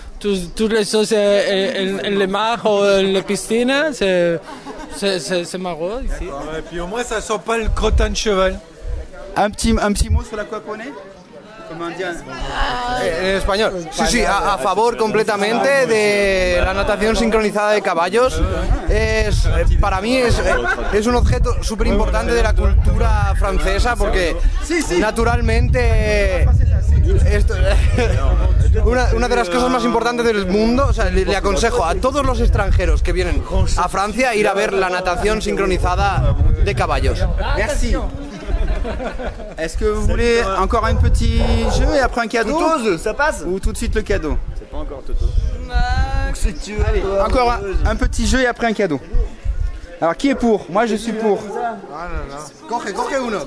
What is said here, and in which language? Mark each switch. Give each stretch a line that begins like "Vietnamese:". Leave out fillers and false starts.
French: toutes les choses et les mares ou les piscines, c'est marrant ici. D'accord. Et puis au moins ça sent pas le crottin de cheval. Un petit mot sur l'aquaponie.
Spanish: En español. Sí, sí, a favor completamente de la natación sincronizada de caballos. Es, para mí es un objeto súper importante de la cultura francesa porque naturalmente esto, una de las cosas más importantes del mundo, o sea, le aconsejo a todos los extranjeros que vienen a Francia ir a ver la natación sincronizada de caballos.
French: Merci. Est-ce que vous voulez encore un petit jeu et après un cadeau? Toutose, ça passe? Ou tout de suite le cadeau? C'est pas encore Toutose. Si tu veux. Allez, encore un petit jeu et après un cadeau. Alors qui est pour? Moi je suis pour. Contre ou neutre?